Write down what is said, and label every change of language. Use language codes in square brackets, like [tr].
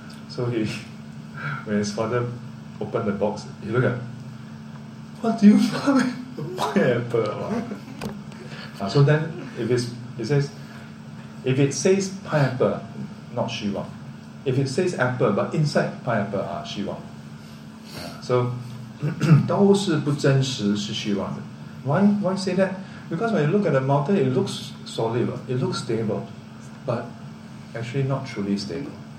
[en] So he, when his father opened the box, he looked at, what do you buy? Buy Apple. So then if it's, it says, if it says pineapple, not Shiva. If it says apple, but inside pineapple, Shiva. [zh] So, 都是不真实是虚妄的. [en] Why say that? Because when you look at the mountain, it looks solid, it looks stable, but actually not truly stable.